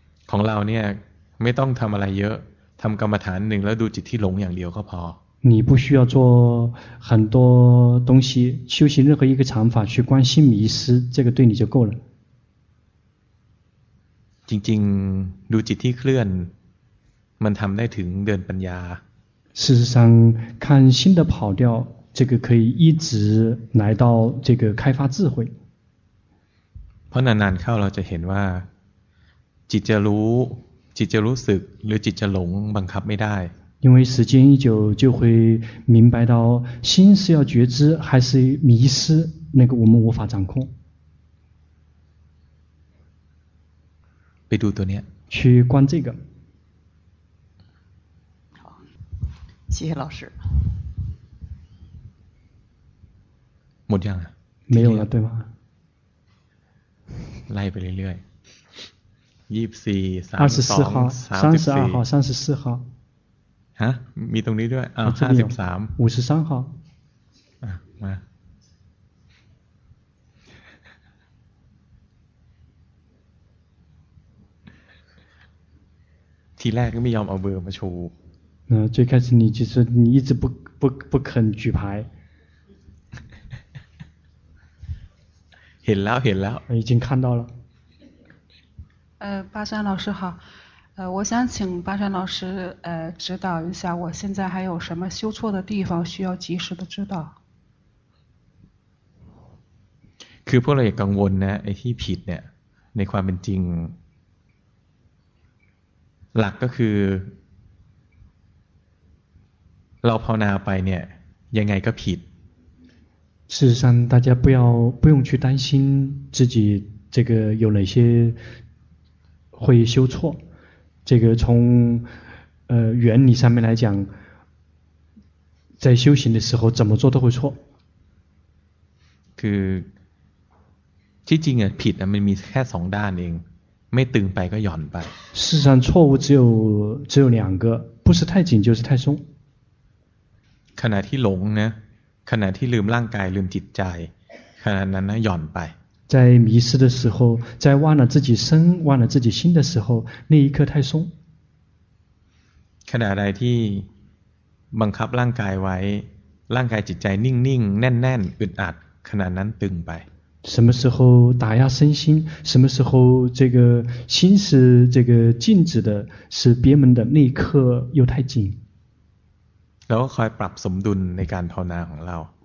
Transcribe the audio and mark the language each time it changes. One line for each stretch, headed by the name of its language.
Thai: ของเราเนี่ยไม่ต้องทำอะไรเยอะทำกรรมฐานหนึ่งแล้วดูจิตที่หลงอย่างเดียวก็พอ
Chinese: 你不需要做很多东西修行任何一个禅法去观心迷失这个对你就够了
Thai: จริงๆดูจิตที่เคลื่อนมันทำได้ถึงเดินปัญญา
Chinese: 事实上看心的跑掉这个可以一直来到这个开发智慧
Thai: เพราะนานๆเข้าเราจะเห็นว่าจิตจะรู้จิตจะรู้สึกหรือจิตจะหลงบังคับไม่ได้
Chinese: 因为时间一久就会明白到心是要觉知还是迷失那个我们无法掌控
Thai: ไปดูตัวเนี้ย
Chinese: 去观这个好谢谢老师
Thai: หมดยังอ่ะ
Chinese: 没有了对吗
Thai: ไล่ไปเรื่อยๆ24 32
Chinese: 34 32 34号
Thai: ฮะมีตรงนี้ด้วยอ้าว53
Chinese: 53ค่ะ
Thai: อ่ะมาทีแรกก็ไม่ยอมเอาเบอร์มาชู
Chinese: นะ最开始你就是你一直不肯举牌
Thai: เห็นแล้วเห็นแล้ว
Chinese: 已经看到了巴山老师好我想请巴山老师指导一下我现在还有什么修错的地方需要及时的知道
Thai: คือพวกเราอย่ากังวลนะไอ้ที่ผิดเนี่ยในความเป็นจริงหลักก็คือเราภาวนาไปเนี่ยยังไงก็ผิด
Chinese: 事实上大家不用去担心自己这个有哪些会修错这个从原理上面来讲在修行的时候怎么做都会错
Thai: คือที่จริงผิดมันมีแค่สองด้านเองไม่ตึงไปก็หย่อนไป
Chinese: 事实上错误只有两个不是太紧就是太松
Thai: ขณะที่หลงนะขณะที่ลืมร่างกายลืมจิตใจขณะนั้นนะหย่อนไป
Chinese: 在迷失的时候在忘了自己身忘了自己心的时候那一刻太松
Thai: ขณะใดที่บังคับร่างกายไว้ร่างกายจิตใจนิ่งๆแน่นๆอึดอัดขณะนั้นตึงไป
Chinese: 什么时候打压身心什么时候这个心是这个静止的是憋闷的那一刻又太紧
Thai: แล้วคอยปรับสมดุลในการภาวนาของเรา